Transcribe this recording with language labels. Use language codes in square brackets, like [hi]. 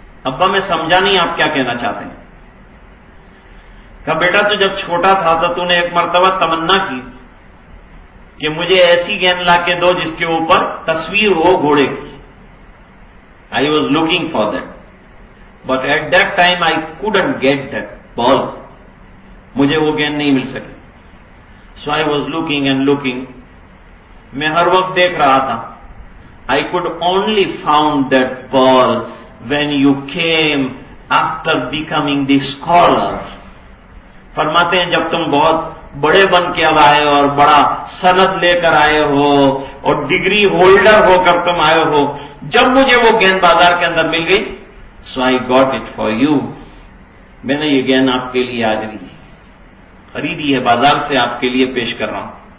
[ur] ابا میں سمجھا نہیں آپ کیا کہنا چاہتے ہیں. کہا بیٹا تو جب چھوٹا تھا تو تو نے ایک مرتبہ تمنا کی کہ مجھے ایسی گیند لا کے دو جس کے اوپر تصویر ہو گھوڑے کی. [en] I was looking for that. But at that time I couldn't get that ball. [ur] مجھے وہ گیند نہیں مل سکی. [en] So I was looking and looking. [ur] میں ہر وقت دیکھ رہا تھا. [en] I could only found that ball when you came after becoming the scholar. [ur] فرماتے ہیں جب تم بہت بڑے بن کے اب آئے اور بڑا سند لے کر آئے ہو اور ڈگری ہولڈر ہو کر تم آئے ہو, جب مجھے وہ گیند بازار کے اندر مل گئی, [en] so I got it for you, [ur] میں نے یہ گیند آپ کے لیے آج لی خریدی ہے بازار سے آپ کے لیے پیش کر رہا ہوں.